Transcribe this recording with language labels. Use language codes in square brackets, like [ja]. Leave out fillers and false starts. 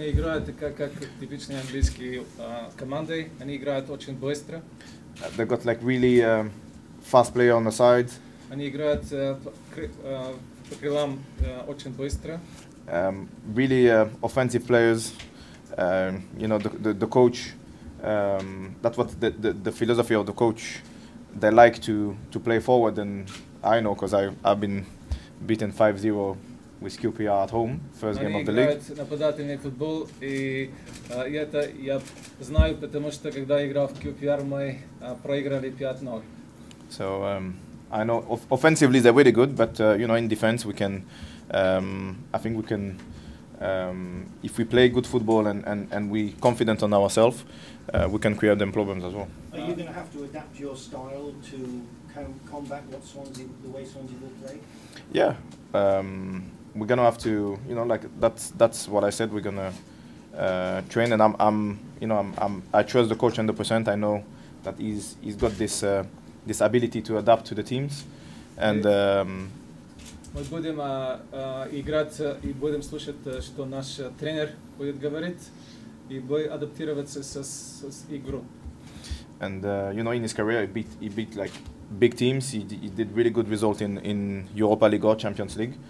[ru] Не играют как типичные английские команды. Они играют очень быстро. [en] They got like really fast player on the side. [ru] Они играют по крылам очень быстро. [en] Really offensive players, you know, the coach, that's what the philosophy of the coach, they like to play forward, and I know because I've been beaten 5-0 with QPR at home, first game of the league. [ru] Они играют нападательный футбол, и это я знаю, потому что когда играл в QPR, мы проиграли 5-0. [en] So, I know, offensively they're really good, but, you know, in defense we can... I think we can, if we play good football and we confident on ourselves, we can create them problems as well. Are you going to have to adapt your style to combat what the way Swansea will play? Yeah, we're going to have to, you know, like that's what I said. We're going to train, and I trust the coach 100%. I know that he's got this this ability to adapt to the teams. And [uk] Ми будемо грати і будемо слухати, що наш тренер буде говорити, і будемо адаптуватися з ігру. [en] And you know, in his career, he beat like big teams. He did really good result in Europa League or Champions League.